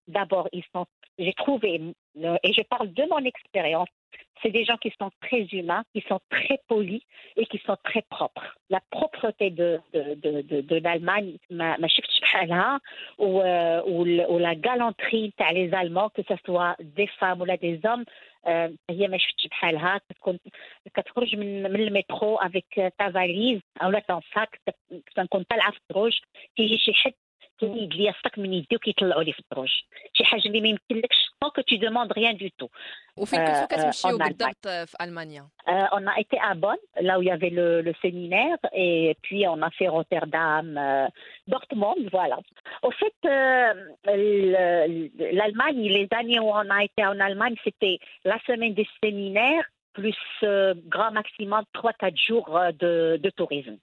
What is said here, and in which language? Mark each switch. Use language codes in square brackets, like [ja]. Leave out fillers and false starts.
[fr] D'abord, j'ai trouvé, et je parle de mon expérience, c'est des gens qui sont très humains, qui sont très polis et qui sont très propres. La propreté de l'Allemagne, ma chikchala, ou la galanterie par les Allemands, que ce soit des femmes ou là des hommes, [ar] هي ما شفتش بحالها. كتخرج من المترو [fr] avec ta valise ou là ton sac, [ar] كنكون طالعه في الدروج, كيجي شي حد كيدير ليا الصاك من يديو كيطلعوا لي في الدروج شي حاجه اللي ما يمكنلكش [fr] طون كو تي دوموند ريان دو تو. [ar] وفين كنتو كتمشيو بالضبط في المانيا؟ [fr] On a été à Bonn, là où il y avait le séminaire, et puis on a fait Rotterdam, Dortmund, voilà. Au fait, l'Allemagne, les années où on a été en Allemagne, c'était la semaine des séminaires, plus grand maximum 3-4 jours de tourisme.